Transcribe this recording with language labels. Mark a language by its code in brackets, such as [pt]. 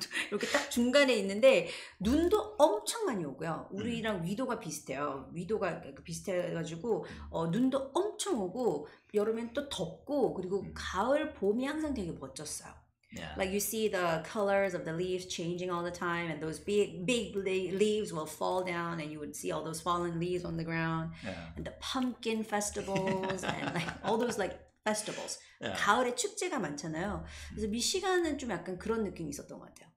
[ko] 이렇게 딱 중간에 있는데 눈도 엄청 많이 오고요. 우리랑 위도가 비슷해요. 위도가 비슷해가지고 눈도 엄청 오고 여름엔 또 덥고 그리고 가을 봄이 항상 되게 멋졌어요. [en] Yeah. Like you see the colors of the leaves changing all the time, and those big leaves will fall down, and you would see all those fallen leaves on the ground, yeah. and the pumpkin festivals, and like all those like festivals. Yeah. [ko] 가을에 축제가 많잖아요. 그래서 미시간은 좀 약간 그런 느낌이 있었던 것 같아요.